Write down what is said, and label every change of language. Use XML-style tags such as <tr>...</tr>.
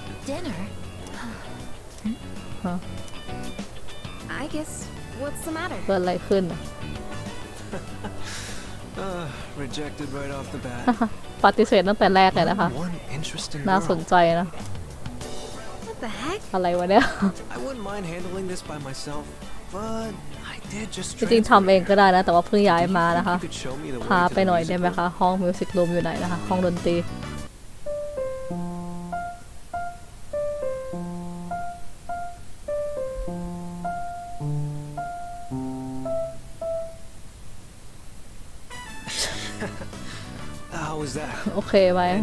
<en>Dinner I guess what's the matter</en> <th>เกิดอะไรขึ้น</th> <en>rejected right off the bat</en> <th>ปฏิเสธตั้งแต่แรกเลยนะคะน่าสนใจนะ</th> <en>What the heck</en> <th>อะไรวะเนี่ย</th> <en>I wouldn't mind handling this by myself but</en> <th>จริงทำเองก็ได้นะแต่ว่าเพิ่งย้ายมานะคะพาไปหน่อยได้ไหมคะห้องมิวสิครูมอยู่ไหนนะคะห้องดนตรีโอเคไหม</th>